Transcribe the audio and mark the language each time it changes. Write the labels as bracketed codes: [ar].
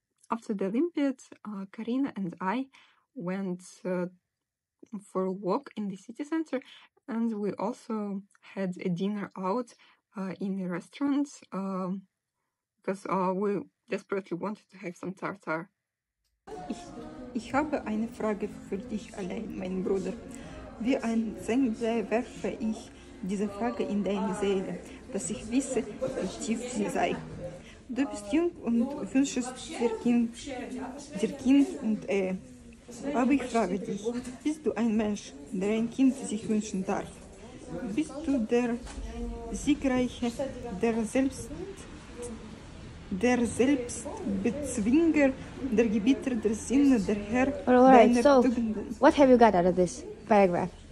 [en] After the Olympiad, Karina and I went for a walk in the city center, and we also had a dinner out in a restaurant because we desperately wanted to have some tartar. [de] Ich habe eine Frage für dich allein, mein Bruder. Wie ein Zengler werfe ich diese Frage in deine Seele, dass ich wisse, wie tief sie sei. Du bist jung und wünschst dir Kind und Ehe. Aber ich frage dich, bist du ein Mensch, der ein Kind sich wünschen darf? Bist du der Siegreiche, der Selbstbezwinger, der Gebieter der Sinne, der Herr deiner Tugenden? [en] What have you got out of this paragraph?